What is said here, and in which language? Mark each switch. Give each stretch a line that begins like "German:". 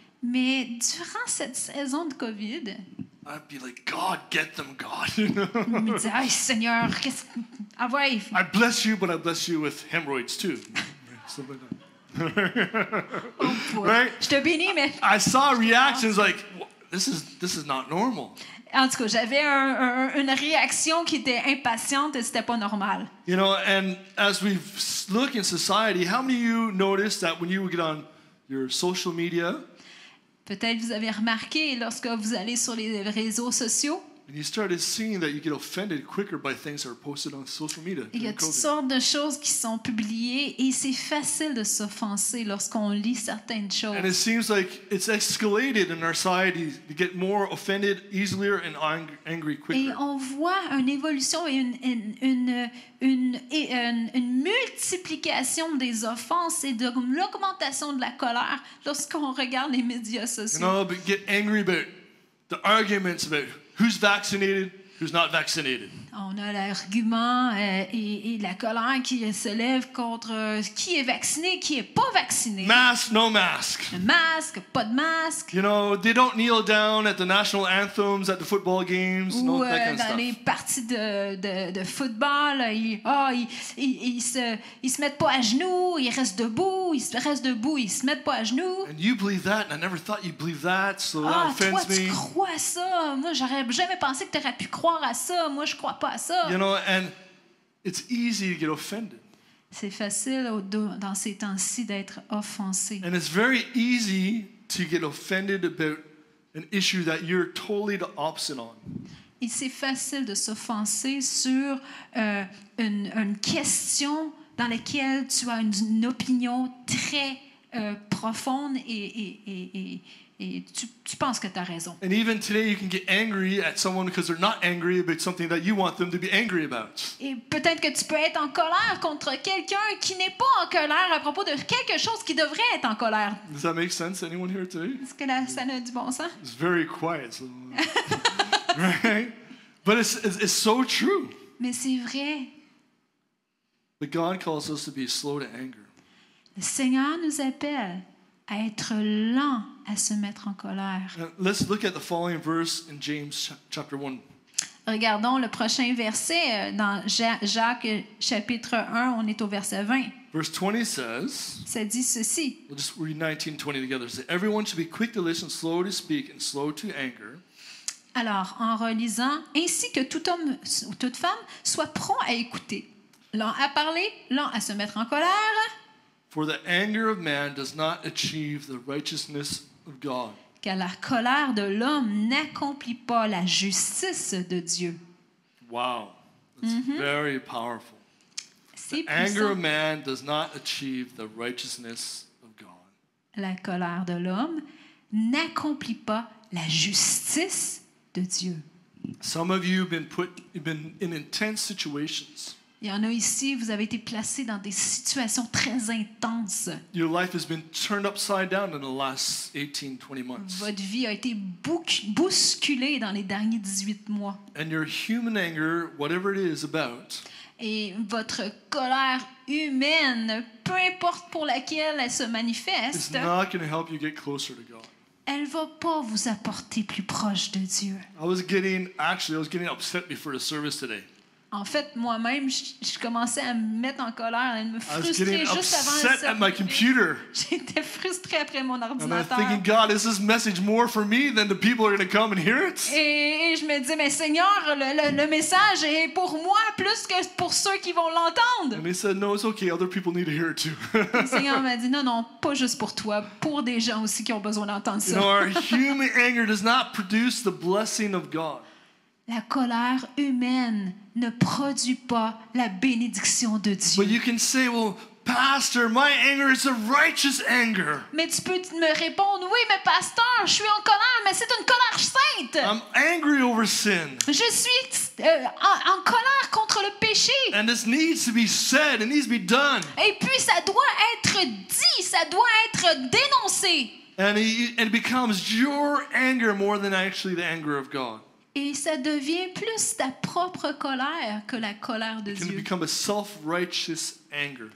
French: mais durant cette saison de COVID,
English: I'd be like, God, get them, God.
French: Je me disais, oh Seigneur, qu'est-ce que. Ah ouais.
English: I bless you, but I bless you with hemorrhoids too. Something like that. Right?
French: Je te bénis, mais.
English: I saw reactions like, this is not normal.
French: En tout cas, j'avais une réaction qui était impatiente et c'était pas normal.
English: You know, and as we look in society, how many of you notice that when you get on your social media?
French: Peut-être vous avez remarqué lorsque vous allez sur les réseaux sociaux.
English: And you started seeing that you get offended quicker by things that are posted on social media.
French: Il y a toutes sortes de choses qui sont publiées et c'est facile de s'offenser lorsqu'on lit certaines choses.
English: And it seems like it's escalated in our society to get more offended easier and angry quicker.
French: Et on voit une évolution et une multiplication des offenses et de l'augmentation de la colère lorsqu'on regarde les médias sociaux.
English: You know, but get angry about the arguments about who's vaccinated, who's not vaccinated.
French: On a l'argument et la colère qui se lève contre qui est vacciné, qui est pas vacciné.
English: Mask, no mask.
French: Le masque, pas de masque.
English: You know, they don't kneel down at the national anthems at the football games.
French: Ou
English: no, that kind
French: dans
English: of stuff.
French: Les parties de football, ils se mettent pas à genoux, ils restent debout.
English: And you believe that, and I never thought you'd believe that, so that offends
French: toi,
English: me.
French: Ah, toi, tu crois ça? Moi, j'aurais jamais pensé que t'aurais pu croire à ça. Moi, je crois.
English: You know, and it's easy to get offended.
French: C'est facile dans ces temps-ci d'être offensé.
English: And it's very easy to get offended about an issue that you're totally the opposite on.
French: Et c'est facile de s'offenser sur une question dans laquelle tu as une opinion très profonde et tu penses que tu as raison.
English: And even today you can get angry at someone because they're not angry about something that you want them to be angry about.
French: Et peut-être que tu peux être en colère contre quelqu'un qui n'est pas en colère à propos de quelque chose qui devrait être en colère.
English: Does that make sense? Anyone here today?
French: Est-ce que ça a du bon sens?
English: It's very quiet. So... right? But it's so true.
French: Mais c'est vrai.
English: But God calls us to be slow to anger.
French: Le Seigneur nous appelle à être lent à se mettre en colère.
English: Let's look at the following verse in James chapter 1.
French: Regardons le prochain verset dans Jacques chapitre 1, on est au verset 20.
English: Verse 20 says,
French: ça dit ceci.
English: We'll just read 19 and 20 together. So everyone should be quick to listen, slow to speak, and slow to anger.
French: Alors, en relisant, ainsi que tout homme ou toute femme soit prompt à écouter, lent à parler, lent à se mettre en colère.
English: For the anger of man does not achieve the righteousness of God.
French: Car la colère de l'homme n'accomplit pas la justice de Dieu.
English: Wow, that's very powerful.
French: C'est
English: the
French: puissant.
English: Anger of man does not achieve the righteousness of God.
French: La colère de l'homme n'accomplit pas la justice de Dieu.
English: Some of you have been in intense situations.
French: Il y en a ici, vous avez été placé dans des situations très intenses.
English: Your life has been turned upside down in the last 18, 20 months.
French: Votre vie a été bousculée dans les derniers 18 mois.
English: And your human anger, whatever it is about,
French: et votre colère humaine, peu importe pour laquelle elle se manifeste,
English: is not going to help you get closer to God.
French: Elle ne va pas vous apporter plus proche de Dieu.
English: I was getting upset before the service today.
French: En fait, moi-même, je commençais à me mettre en colère, à me frustrer juste avant le service. J'étais frustrée après mon ordinateur.
English: And I'm thinking, God, is this message more for me than the people are going to come and hear it?
French: Et je me dis, mais Seigneur, le message est pour moi plus que pour ceux qui vont l'entendre.
English: And he said, no, it's okay. Other people need to hear it too.
French: Le Seigneur m'a dit, non, pas juste pour toi, pour des gens aussi qui ont besoin d'entendre ça.
English: You know, our human anger does not produce the blessing of God.
French: La colère humaine ne produit pas la bénédiction de Dieu.
English: But you can say, well, pastor, my anger is a righteous anger.
French: Mais tu peux me répondre, oui, mais pasteur, je suis en colère, mais c'est une colère sainte.
English: I'm angry over sin.
French: Je suis en colère contre le péché.
English: And this needs to be said, it needs to be done.
French: Et puis ça doit être dit, ça doit être dénoncé.
English: And it becomes your anger more than actually the anger of God.
French: Et ça devient plus ta propre colère que la colère de Dieu.
English: It can become a self-righteous anger.